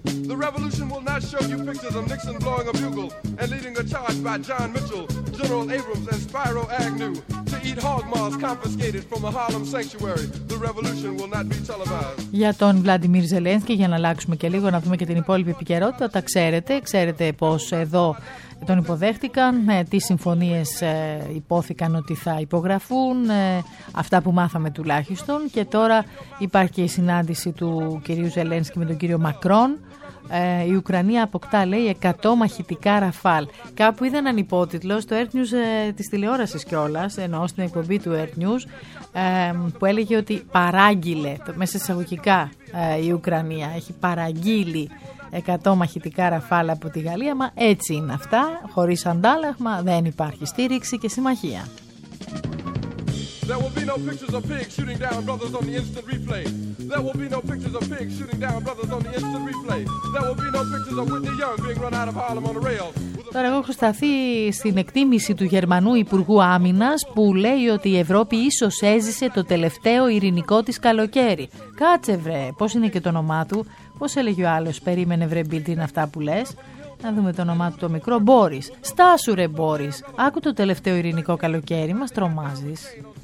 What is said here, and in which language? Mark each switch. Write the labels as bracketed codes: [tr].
[en] The revolution will not show you pictures of Nixon blowing a bugle and leading a charge by John Mitchell, General Abrams, and Spiro Agnew to eat hog maws confiscated from a Harlem sanctuary. The revolution will not be televised. [el] Για τον Βλαντιμίρ Ζελένσκι, για να αλλάξουμε και λίγο, να δούμε και την υπόλοιπη επικαιρότητα. Τα ξέρετε πως εδώ τον υποδέχτηκαν, τι συμφωνίες υπόθηκαν ότι θα υπογραφούν, αυτά που μάθαμε τουλάχιστον, και τώρα υπάρχει η συνάντηση του κυρίου Ζελένσκι με τον κύριο Μακρόν. Η Ουκρανία αποκτά, λέει, 100 μαχητικά Ραφάλ. Κάπου είδα έναν υπότιτλο στο Earth News της τηλεόρασης κιόλας, ενώ στην εκπομπή του Earth News, που έλεγε ότι παράγγειλε, μέσα σε εισαγωγικά, η Ουκρανία έχει παραγγείλει 100 μαχητικά Ραφάλ από τη Γαλλία, μα έτσι είναι αυτά, χωρίς αντάλλαγμα δεν υπάρχει στήριξη και συμμαχία. [en] There will be no pictures of pigs shooting down brothers on the instant replay. There will be no pictures of pigs shooting down brothers on the instant replay. There will be no pictures of Whitney Young being run out of Harlem on the rails. [el] Τώρα εγώ έχω σταθεί στην εκτίμηση του Γερμανού Υπουργού Άμυνας που λέει ότι η Ευρώπη ίσως έζησε το τελευταίο ειρηνικό της καλοκαίρι. Κάτσε βρε, πώς είναι και το όνομά του, πώς έλεγε ο άλλος, περίμενε βρε Μπιλτίν αυτά που λες. Να δούμε το όνομά του το μικρό, Μπόρις. Στάσου ρε Μπόρις, άκου το τελευταίο ειρηνικό καλοκαίρι, μας τρομάζεις.